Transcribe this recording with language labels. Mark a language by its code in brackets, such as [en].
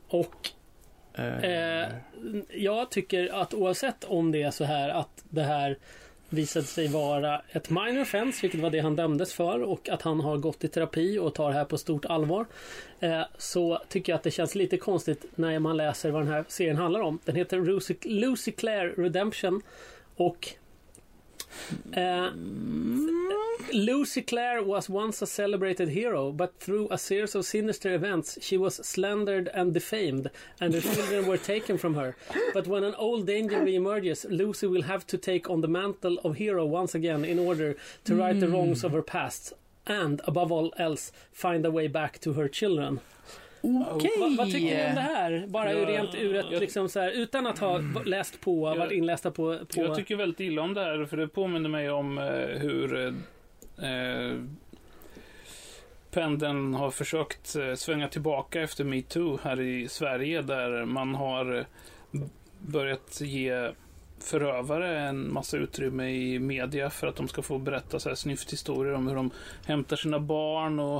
[sv] Och jag tycker att oavsett om det är så här att det här visade sig vara ett [en] minor offense, [sv] vilket var det han dömdes för, och att han har gått i terapi och tar det här på stort allvar, så tycker jag att det känns lite konstigt när man läser vad den här serien handlar om. Den heter [en] Lucy Claire Redemption och Lucy Claire was once a celebrated hero, but through a series of sinister events she was slandered and defamed, and her children were taken from her. But when an old danger reemerges, Lucy will have to take on the mantle of hero once again in order to right the wrongs of her past and above all else find a way back to her children. [sv] Okej. Vad tycker ni om det här? Bara rent ur ett, liksom så här, utan att ha läst på, varit inlästa på, Jag tycker väldigt illa om det här, för det påminner mig om hur pendeln har försökt svänga tillbaka efter MeToo här i Sverige, där man har börjat ge förövare en massa utrymme i media för att de ska få berätta så här snyft historier om hur de hämtar sina barn.